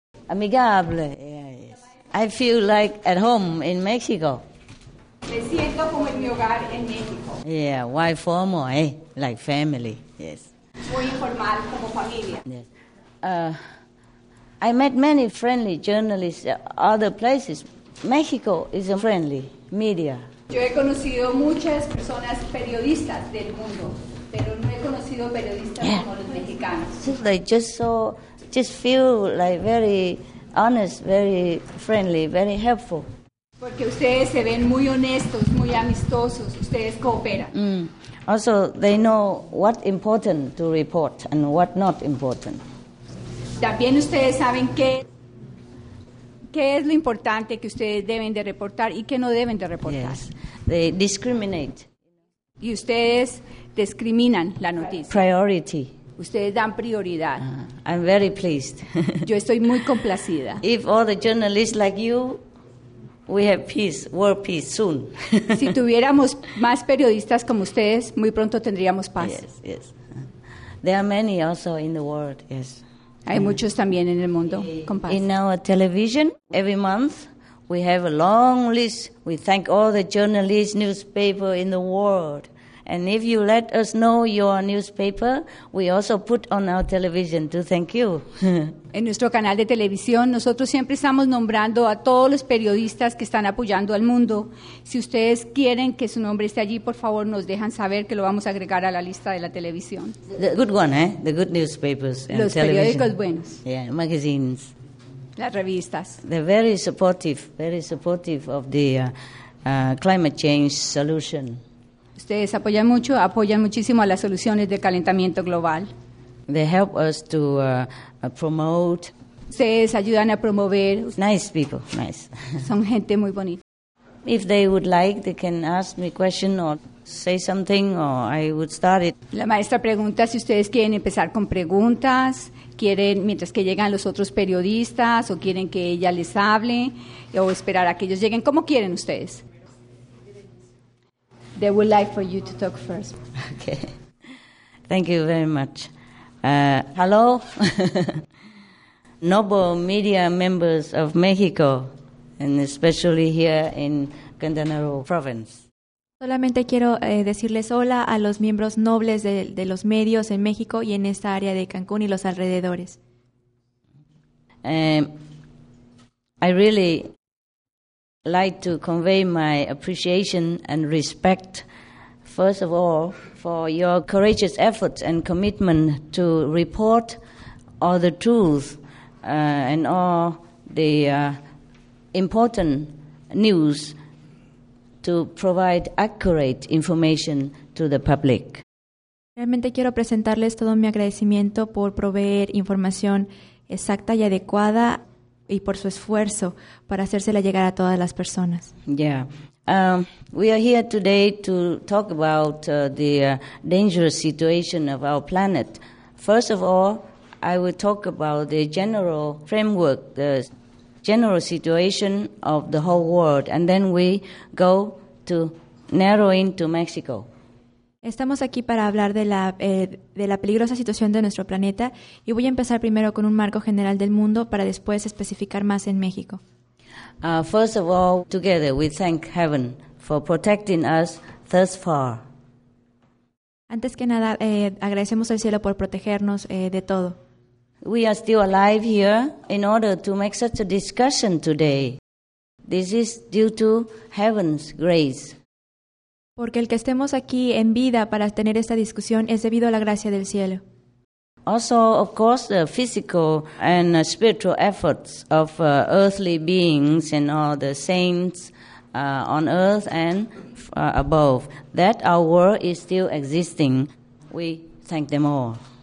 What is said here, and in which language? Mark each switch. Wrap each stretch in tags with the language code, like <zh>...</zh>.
<es>Amigable. Yes.</es> <en>I feel like at home in Mexico.</en> <es>Me siento como en mi hogar en México.</es> <en>Yeah, why formal, eh? Like family, yes.</en> <es>Muy informal como familia.</es> <en>Yes. I met many friendly journalists other places. Mexico is a friendly media.</en> <es>Yo he conocido muchas personas periodistas del mundo, pero no he conocido periodistas</es> <en>yeah.</en> <es>como los mexicanos.</es> <en>Just like just so... Just feel like very honest, very friendly, very helpful.</en> <es>Porque ustedes se ven muy honestos, muy amistosos. Ustedes cooperan. Mm.</es> <en>Also, they know what important to report and what not important.</en> <es>También ustedes saben qué es lo importante que ustedes deben de reportar y qué no deben de reportar.</es> <en>Yes. They discriminate.</en> <es>Y ustedes discriminan la noticia.</es> <en>Priority.</en> <es>Ustedes dan prioridad.</es> <en>I'm very pleased.</en> <es>Yo estoy muy complacida.</es> <en>If all the journalists like you, we have peace, world peace soon.</en> <es>Si tuviéramos más periodistas como ustedes, muy pronto tendríamos paz.</es> <en>Yes, yes. There are many also in the world, yes.</en> <es>Hay muchos también en el mundo con paz.</es> <en>In our television, every month, we have a long list. We thank all the journalists, newspaper in the world. And if you let us know your newspaper, we also put on our television to thank you.</en> <es>En nuestro canal de televisión, nosotros siempre estamos nombrando a todos los periodistas que están apoyando al mundo. Si ustedes quieren que su nombre esté allí, por favor, nos dejan saber que lo vamos a agregar a la lista de la televisión.</es> <en>The good one, eh? The good newspapers and</en> <es>los</es> <en>television.</en> <es>Los periódicos buenos.</es> <en>Yeah, magazines.</en> <es>Las revistas.</es> <en>They're very supportive of the climate change solution.</en> <es>Ustedes apoyan mucho, apoyan muchísimo a las soluciones del calentamiento global.</es> <en>They help us to promote.</en> <es>Ustedes ayudan a promover.</es> <en>Nice people, nice.</en> <es>Son gente muy bonita.</es> <en>If they would like, they can ask me question or say something or I would start it.</en> <es>La maestra pregunta si ustedes quieren empezar con preguntas, quieren mientras que llegan los otros periodistas o quieren que ella les hable o esperar a que ellos lleguen. ¿Cómo quieren ustedes?</es> <en>They would like for you to talk first. Okay. Thank you very much. Hello, noble media members of Mexico, and especially here in Quintana Roo province.</en> <es>Solamente quiero decirles hola a los miembros nobles de los medios en México y en esta área de Cancún y los alrededores.</es> <en>I really like to convey my appreciation and respect, first of all, for your courageous efforts and commitment to report all the truth and all the important news to provide accurate information to the public.</en> <es>Realmente quiero presentarles todo mi agradecimiento por proveer información exacta y adecuada y por su esfuerzo para hacérsela llegar a todas las personas.</es> <en>Yeah. We are here today to talk about the dangerous situation of our planet. First of all, I will talk about the general framework, the general situation of the whole world, and then we go to narrow into Mexico.</en> <es>Estamos aquí para hablar de la peligrosa situación de nuestro planeta y voy a empezar primero con un marco general del mundo para después especificar más en México.</es> <en>First of all, together we thank heaven for protecting us thus far.</en> <es>Antes que nada, agradecemos al cielo por protegernos de todo.</es> <en>We are still alive here in order to make such a discussion today. This is due to heaven's grace.</en> <es>Porque el que estemos aquí en vida para tener esta discusión es debido a la gracia del cielo.</es> <en>Also, of course, the physical and spiritual efforts of earthly beings and all the saints on earth and above, that our world is still existing, we thank them all.</en>